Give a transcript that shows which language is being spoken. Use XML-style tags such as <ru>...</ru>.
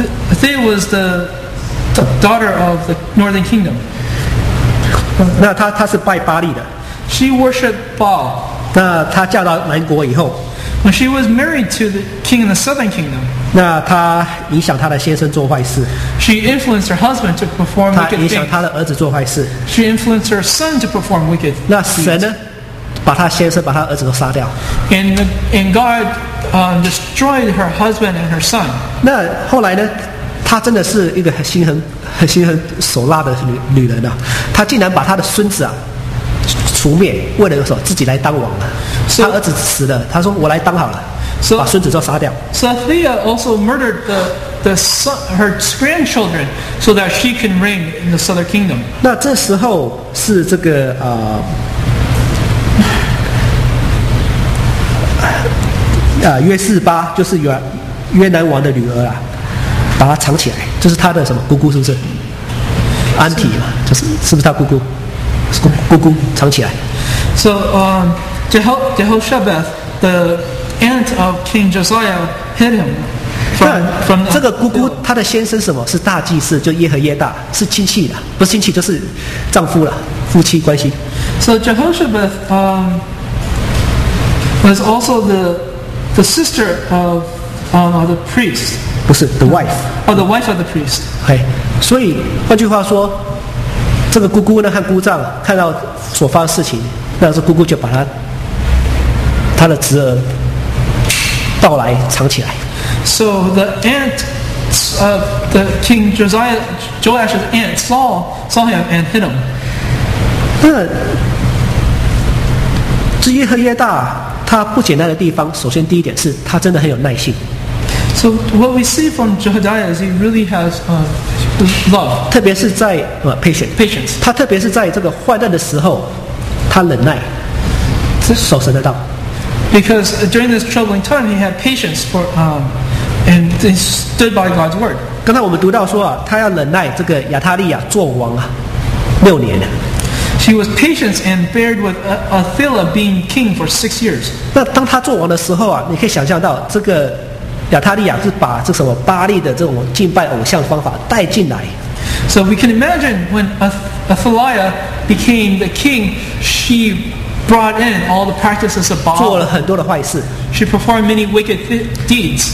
<en>Athaliah was the daughter of the Northern Kingdom.</en> <zh>那她是拜巴利的。</zh> <en>She worshipped Baal.</en> <zh>那她嫁到南国以后。</zh> <en>When she was married to the king in the Southern Kingdom.</en> <zh>那她影响她的先生做坏事。</zh> <en>She influenced her husband to perform wicked things.</en> <zh>她影响她的儿子做坏事。</zh> <en>She influenced her son to perform wicked things.</en> <zh>那神呢？把她先生、把她儿子都杀掉。</zh> <en>And God destroyed her husband and her son.</en> <zh>那后来呢？她真的是一个很心狠手辣的女人啊！她竟然把她的孙子啊除灭，为了什么？自己来当王了。她儿子死了，她说我来当好了，</zh> <en>so,</en> <zh>把孙子都杀掉。</zh> <en>So Athaliah also murdered the son, her grandchildren so that she can reign in the southern kingdom.</en> <zh>那这时候是这个约示巴就是约南王的女儿啊，把她藏起来，就是她的什么姑姑是不是？安提嘛，就是不是她姑姑？姑姑藏起来。</zh> <en>So Jehoshabeth, the aunt of King Josiah, hid him.</en> <zh>那这个姑姑她的先生什么是大祭司？就耶和耶大是亲戚的，不是亲戚就是丈夫了，夫妻关系。</zh> <en>So Jehoshabeth was also the sister of the priest.</en> <zh>不是</zh> <en>the wife. Oh, the wife of the priest. Okay.</en> <zh>所以换句话说，这个姑姑呢和姑丈看到所发的事情，那是姑姑就把她的侄儿盗来藏起来。</zh> <en>So the aunt of the king Josiah, Joash's aunt saw him and hit him.</en> <zh>那这耶和耶大他不简单的地方，首先第一点是他真的很有耐性。</zh> <en>So what we see from Jehoiada is he really has love.</en> <zh>特别是在patience.</zh> <en>Patience.</en> <zh>他特别是在这个患难的时候，他忍耐，守神的道。</zh> <en>Because during this troubling time, he had patience for and he stood by God's word.</en> <zh>刚才我们读到说啊，他要忍耐这个亚他利亚做王啊，六年。</zh> <en>He was patient and bared with Athaliah being king for 6 years.</en> <zh>那当他做王的时候啊，你可以想象到这个亚他利亚是把这什么巴利的这种敬拜偶像方法带进来。</zh> <en>So we can imagine when Athaliah became the king, she brought in all the practices of Baal.</en> <zh>做了很多的坏事。</zh> <en>She performed many wicked deeds.</en>